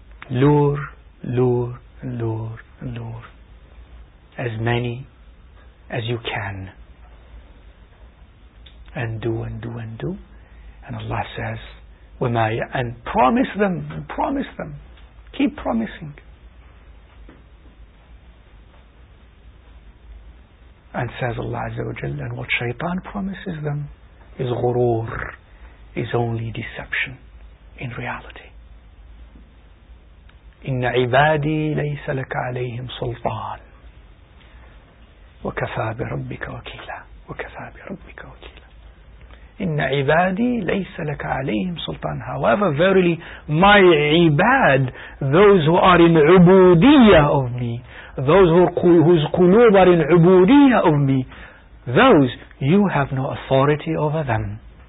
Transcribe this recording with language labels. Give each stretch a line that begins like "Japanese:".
English: Lure, lure, lure, lure as many as you can, and do and do and do, and Allah says, and promise them, keep promising, and says Allah Azza wa Jalla, and what shaitan promises them is ghurur, is only deception in reality.
Arabic: إن عبادي ليس لك عليهم سلطان وكفى بربك وكيلا وكفى بربك وكيلا. إن عبادي ليس لك عليهم سلطان.
English: However, verily, my عباد, those who are in عبودية of me, those whose قلوب are in عبودية of me, those, you have no authority over them.